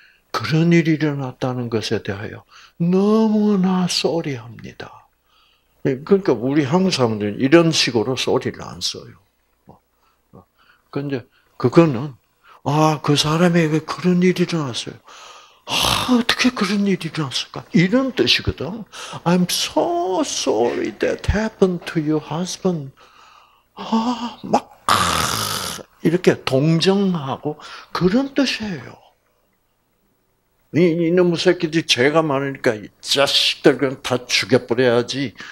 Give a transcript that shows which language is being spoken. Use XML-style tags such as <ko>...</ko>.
<ko>그런 일이 일어났다는 것에 대하여 너무나 sorry합니다. 그러니까 우리 한국 사람들은 이런 식으로 sorry를 안 써요. 그런데 그거는 아, 그 사람에게 그런 일이 일어났어요. 아, 어떻게 그런 일이 일어났을까? 이런 뜻이거든.</ko> <en>I'm so sorry that happened to your husband.</en> <ko>아, 막 이렇게 동정하고 그런 뜻이에요. 이 놈의 새끼들이 죄가 많으니까 이 자식들 그냥 다 죽여버려야지.</ko>